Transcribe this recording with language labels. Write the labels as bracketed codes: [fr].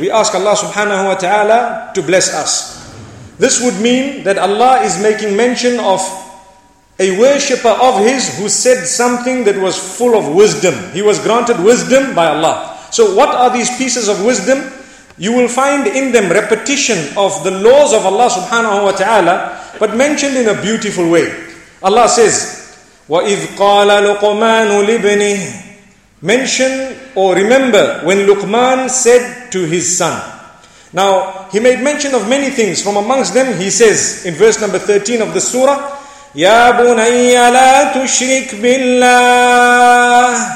[en] We ask Allah subhanahu wa ta'ala to bless us. This would mean that Allah is making mention of a worshipper of his who said something that was full of wisdom. He was granted wisdom by Allah. So what are these pieces of wisdom? You will find in them repetition of the laws of Allah subhanahu wa ta'ala, but mentioned in a beautiful way. Allah says, [ar] وَإِذْ قَالَ لُقْمَانُ لِبْنِهِ. [en] Mention or remember when Luqman said to his son. Now, he made mention of many things. From amongst them, he says in verse number 13 of the surah, [ar] يَا بُنَيَّ لَا تُشْرِكْ بِاللَّهِ.